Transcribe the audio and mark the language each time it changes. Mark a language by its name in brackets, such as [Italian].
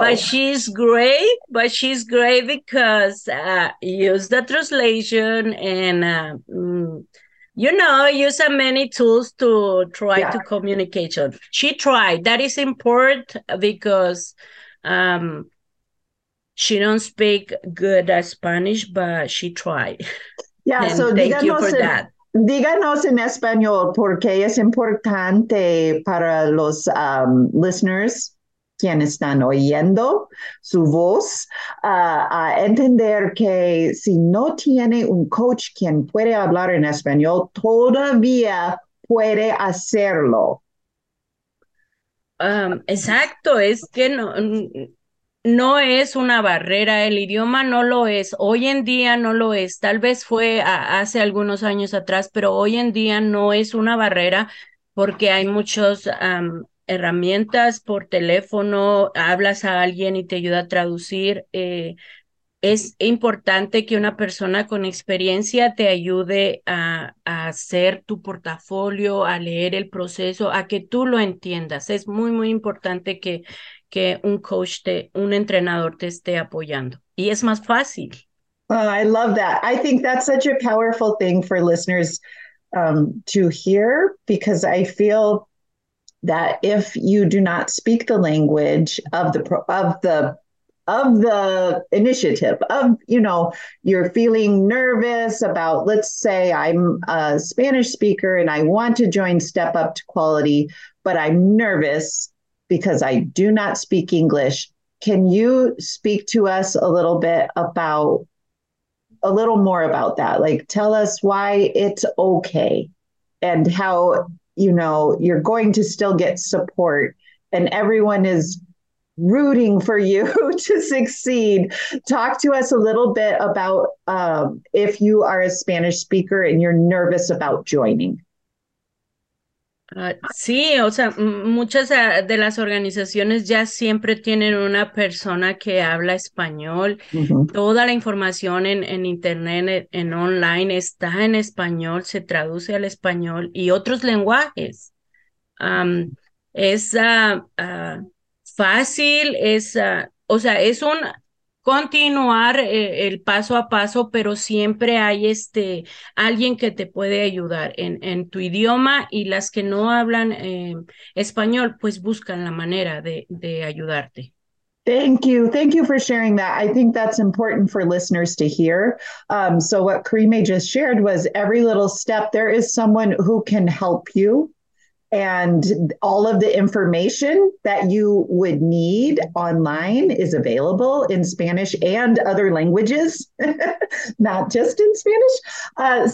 [English] But she's great because use the translation and you know, use many tools to try to communicate. She tried. That is important because she don't speak good Spanish, but she tried. Yeah, and so thank [Spanish] díganos [English] you for that. [Spanish] Díganos en español porque es importante para los listeners, quien están oyendo su voz, a entender que si no tiene un coach quien puede hablar en español, todavía puede hacerlo. Exacto, es que no es una barrera, el idioma no lo es, hoy en día no lo es, tal vez fue hace algunos años atrás, pero hoy en día no es una barrera porque hay muchos herramientas por teléfono, hablas a alguien y te ayuda a traducir. Es importante que una persona con experiencia te ayude a hacer tu portafolio, a leer el proceso, a que tú lo entiendas. Es muy, muy importante que un coach, un entrenador te esté apoyando. Y es más fácil. [English] Oh, I love that. I think that's such a powerful thing for listeners to hear, because I feel that if you do not speak the language of the initiative of, you know, you're feeling nervous about, let's say I'm a Spanish speaker and I want to join Step Up to Quality, but I'm nervous because I do not speak English. Can you speak to us a little more about that? Like, tell us why it's okay and how, you know, you're going to still get support and everyone is rooting for you to succeed. Talk to us a little bit about if you are a Spanish speaker and you're nervous about joining. [Spanish] Sí, o sea, muchas de las organizaciones ya siempre tienen una persona que habla español. Toda la información en internet, en online, está en español, se traduce al español y otros lenguajes. Es fácil, es, o sea, es un continuar el paso a paso, pero siempre hay alguien que te puede ayudar en tu idioma, y las que no hablan español, pues buscan la manera de ayudarte. [English] Thank you. Thank you for sharing that. I think that's important for listeners to hear. So what Carime just shared was every little step, there is someone who can help you. And all of the information that you would need online is available in Spanish and other languages, not just in Spanish.